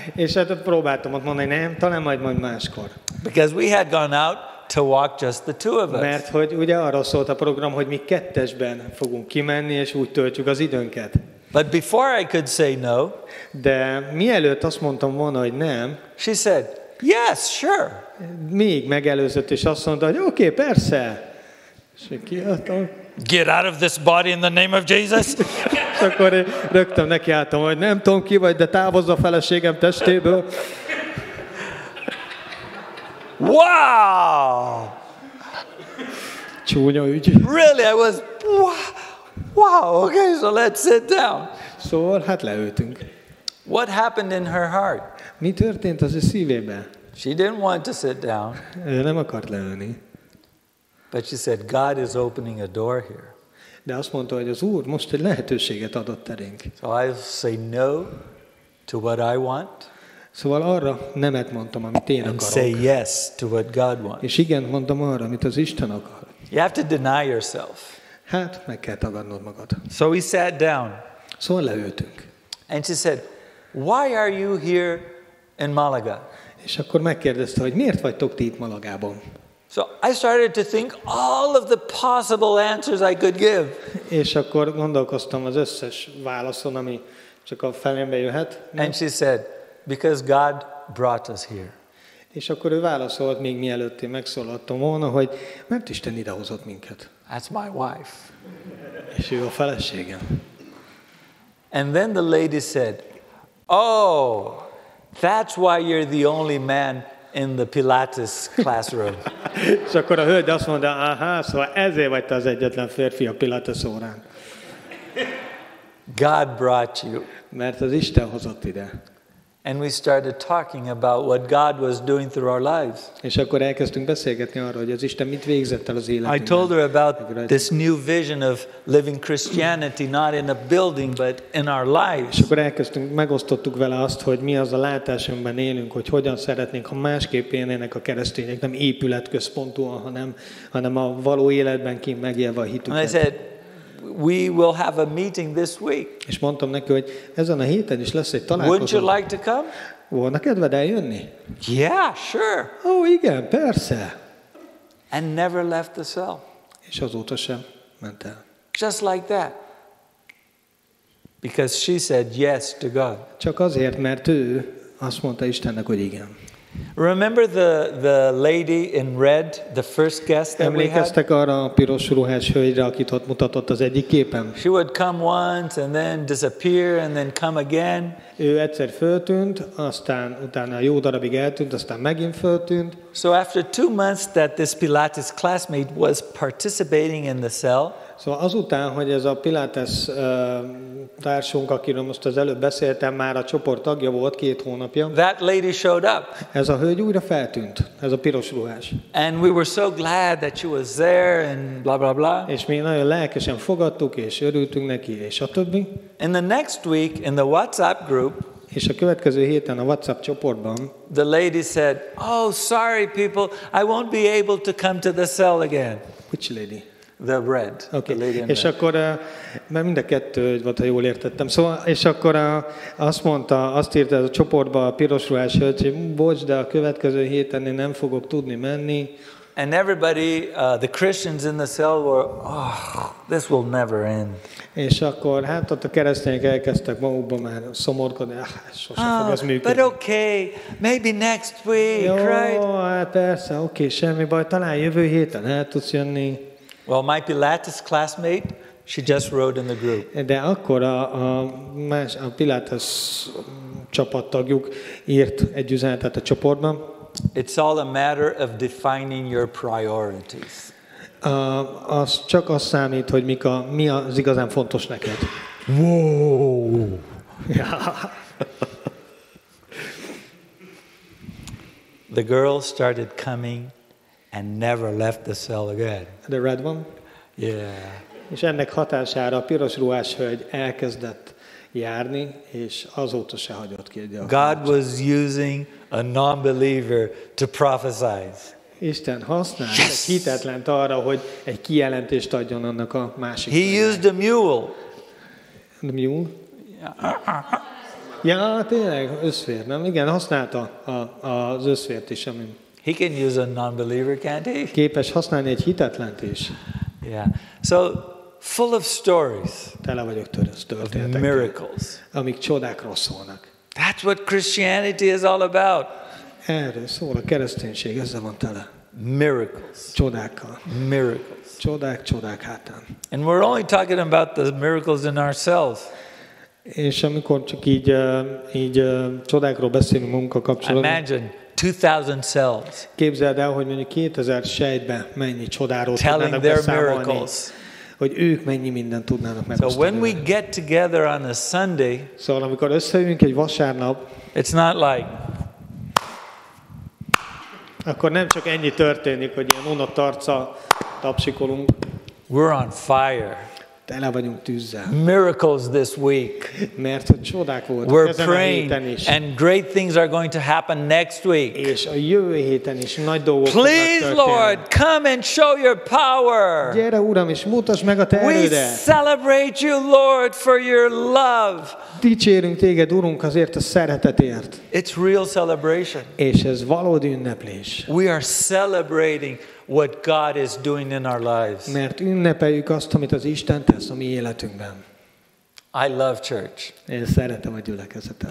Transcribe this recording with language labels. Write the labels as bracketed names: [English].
[Hungarian] És hát próbáltam ott mondani, nem, talán majd máskor. [English] Because we had gone out to walk just the two of us. [Hungarian] Mert hogy ugye arra szólt a program, hogy mi kettesben fogunk kimenni, és úgy töltjük az időnket. [English] But before I could say no, [Hungarian] de mielőtt azt mondtam volna, hogy nem, [English] she said, yes, sure. [Hungarian] Még megelőzött, és azt mondta, hogy oké, persze. És én kiálltam. [English] Get out of this body in the name of Jesus. [Hungarian] És akkor én rögtön nekiálltam, hogy nem tudom ki vagy, de távozz a feleségem testéből. Wow! Csúnya ügy. [English] Really, I was, wow, okay, so let's sit down. [Hungarian] Szóval, hát leültünk. [English] What happened in her heart? [Hungarian] Mi történt az ő szívében? [English] She didn't want to sit down. [Hungarian] Ő nem akart leülni. [English] But she said, God is opening a door here. [Hungarian] De azt mondta, hogy az Úr most egy lehetőséget adott terénk. [English] So I say no to what I want. [Hungarian] Szóval arra nemet mondtam, amit én [English] and [Hungarian] akarok. [English] Say yes to what God wants. [Hungarian] És igen mondtam arra, amit az Isten akar. [English] You have to deny yourself. [Hungarian] Hát, meg kell tagadnod magad. [English] So we sat down. [Hungarian] Szóval leültünk. [English] And she said, why are you here in Malaga? [Hungarian] És akkor megkérdezte, hogy miért vagytok ti itt Malagában? [English] So I started to think all of the possible answers I could give. [Hungarian] És akkor gondolkoztam az összes válaszon, ami csak a felembe jöhet. [English] And she said, because God brought us here. [Hungarian] És akkor ő válaszolt, még mielőtt én megszólaltam volna, hogy mert Isten idehozott minket. [English] That's my wife. [Hungarian] És ő a feleségem. [English] And then the lady said, oh, that's why you're the only man in the Pilates classroom. [Hungarian] És akkor a hölgy azt mondta, aha, szóval ezért vagy te az egyetlen férfi a Pilates órán. [English] God brought you. [Hungarian] Mert az Isten hozott ide. [English] And we started talking about what God was doing through our lives. [Hungarian] És akkor elkezdtünk beszélgetni arról, hogy az Isten mit végzett el az életünkben. [English] I told her about this new vision of living Christianity not in a building but in our lives. [Hungarian] És akkor elkezdtünk, megosztottuk vele azt, hogy mi az a látásunkban élünk, hogy hogyan szeretnénk, ha másképp élnének a keresztények, nem épületközpontúan, hanem a való életben kint megélve a hitüket. [English] We will have a meeting this week. [Hungarian] És mondtam neki, hogy ezen a héten is lesz egy találkozó. [English] Wouldn't you like to come? [Hungarian] Volna kedved eljönni? [English] Yeah, sure. [Hungarian] Oh, igen, persze. [English] And never left the cell. [Hungarian] És azóta sem ment el. [English] Just like that. Because she said yes to God. [Hungarian] Csak azért, mert ő azt mondta Istennek, hogy igen. [English] Remember the lady in red, the first guest that we had? [Hungarian] Emlékeztek arra a piros ruhás hölgyre, akit ott mutatott az egyik képen? [English] She would come once and then disappear and then come again. [Hungarian] Ő egyszer föltűnt, aztán utána a jó darabig eltűnt, aztán megint föltűnt. [English] So after 2 months that this Pilates classmate was participating in the cell. [Hungarian] Szóval azután, hogy ez a Pilates társunk, akiről most az előbb beszéltem, már a csoport tagja volt 2 hónapja. [English] That lady showed up. [Hungarian] Ez a hölgy újra feltűnt, ez a piros ruhás. [English] And we were so glad that she was there and blah blah blah. [Hungarian] És mi nagyon lelkesen fogadtuk és örültünk neki és a többi. [English] And the next week in the WhatsApp group. [Hungarian] És a következő héten a WhatsApp csoportban. [English] The lady said, "Oh, sorry people, I won't be able to come to the cell again." Which lady? The red. Okay. The lady in [Hungarian] és [English] red. [Hungarian] Akkor, mert mind a kettő, ha jól értettem. Szóval, és akkor azt mondta, azt írta a csoportba a piros ruhás hölgy, hogy bocs, de a következő héten én nem fogok tudni menni. [English] And everybody, the Christians in the cell were, oh, this will never end. [Hungarian] És akkor hát ott a keresztények elkezdtek magukban már szomorkodni, ah, sosem fog ez működni. [English] But okay, maybe next week, [Hungarian] jó, [English] right? [Hungarian] Jó, hát persze, okay, semmi baj, talán jövő héten el tudsz jönni. [English] Well, my Pilates classmate, she just wrote in the group. [Hungarian] De akkor a Pilates csapattagjuk írt egy üzenetet a csoportban. [English] It's all a matter of defining your priorities. [Hungarian] Az csak az számít, hogy mi az igazán fontos neked. Whoa! [English] Yeah. The girl started coming and never left the cell again. The red one? Yeah. [Hungarian] És ennek hatására a piros ruhás hölgy elkezdett járni, és azóta se hagyott ki. [English] God was using a non-believer to prophesy. [Hungarian] Isten használta a hitetlent arra, hogy egy kijelentést adjon annak a másik [English] He [Hungarian] helyen. [English] Used a mule. The mule? [Hungarian] Ja, tényleg, összvér, nem? Igen, használta az összvért is. Ami [English] he can use a non-believer, can't he? [Hungarian] Képes használni egy hitetlent is. [English] Yeah. So, full of stories. [Hungarian] Tele vagyok történetekkel. [English] Miracles. [Hungarian] Amik csodákról szólnak. [English] That's what Christianity is all about. [Hungarian] Erről szól a kereszténység, ezzel van tele. [English] Miracles. [Hungarian] Csodákkal. [English] Miracles. [Hungarian] Csodák, csodák hátán. [English] And we're only talking about the miracles in ourselves. [Hungarian] És amikor csak így csodákról beszélünk munka kapcsolatban. [English] Imagine 2,000 cells. [Hungarian] Képzeld el, hogy mondjuk 2,000 sejtben mennyi csodáról tudnának beszámolni. Hogy ők mennyi mindent tudnának megosztani. [English] So when we get together on a Sunday, [Hungarian] szóval amikor összejövünk egy vasárnap, [English] it's not like [Hungarian] akkor nem csak ennyi történik, hogy ilyen unott arca tapsikolunk. [English] We're on fire. [Hungarian] Tele vagyunk tűzzel. [English] Miracles this week. [Hungarian] Mert hogy csodák voltak ezen a héten is. [English] We're praying and great things are going to happen next week. [Hungarian] És a jövő héten is nagy dolgok fognak történni. [English] Please, Lord, come and show your power. [Hungarian] Gyere, Uram, és mutasd meg a te erődet. [English] We celebrate you, Lord, for your love. [Hungarian] Dicsérünk téged, Urunk, azért a szeretetért. [English] It's real celebration. [Hungarian] És ez valódi ünneplés. [English] We are celebrating what God is doing in our lives. [Hungarian] Mert ünnepeljük azt, amit az Isten tesz a mi életünkben. [English] I love church. [Hungarian] Én szeretem a gyülekezetet.